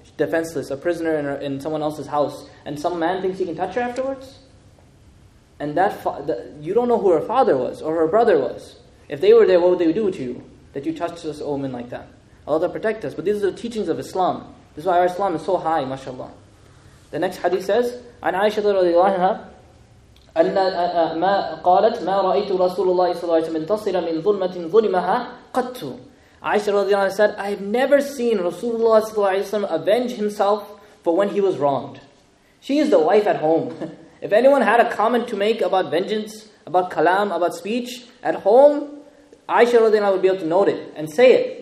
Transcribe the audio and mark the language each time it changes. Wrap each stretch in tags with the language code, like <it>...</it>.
<en>defenseless, a prisoner in someone else's house, and some man thinks he can touch her afterwards? And you don't know who her father was or her brother was. If they were there, what would they do to you that you touched this woman like that? Allah protect us. But these are the teachings of Islam. This is why our Islam is so high, mashallah. The next hadith says,</en> <ar>عن عائشة رضي الله عنها أن ما قالت ما رأيت رسول الله صلى الله عليه وسلم انتصر من ظلمة ظلمها قط.</ar> <en>Aisha</en> <ar>رضي الله عنها</ar> <en>said, I have never seen Rasulullah</en> <ar>صلى الله عليه وسلم</ar> <en>avenge himself for when he was wronged. She is the wife at home. If anyone had a comment to make about vengeance, about kalam, about speech at home, Aisha</en> <ar>رضي الله عنها</ar> <en>would be able to note it and say it.</en>